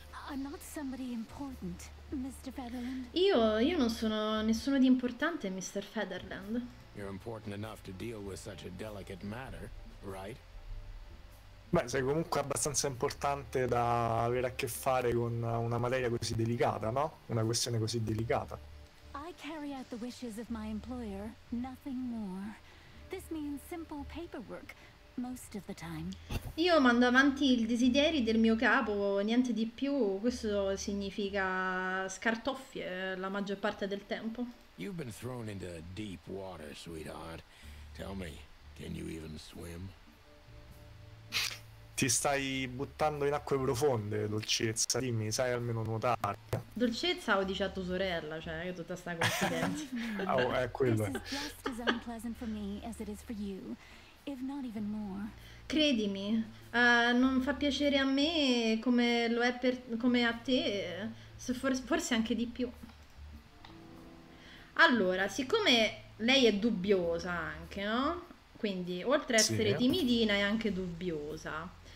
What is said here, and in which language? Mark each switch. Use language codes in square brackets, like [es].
[en] I'm not somebody important, Mr. Featherland. [it] Io non sono nessuno di importante, Mr. Featherland. [en] You're important enough to deal with such a delicate matter, right? [it] Beh, sei comunque abbastanza importante da avere a che fare con una materia così delicata, no? Una questione così delicata. [en] I carry out the wishes of my employer, nothing more. This means simple paperwork, most of the time. [it] Io mando avanti i desideri del mio capo, niente di più. Questo significa scartoffie la maggior parte del tempo. [en] You've been thrown into deep water, sweetheart. Tell me, can you even swim? [it] Ti stai buttando in acque profonde, dolcezza. Dimmi, sai almeno nuotare? Dolcezza, ho dice a tua sorella, cioè, che tutta sta confidenza. Oh, è quello. [en] This is just as unpleasant for me as it is for you, if not even more. [it] Credimi, non fa piacere a me come lo è come a te, forse anche di più. Allora, siccome lei è dubbiosa anche, no? Quindi, oltre a essere Sì. timidina, è anche dubbiosa.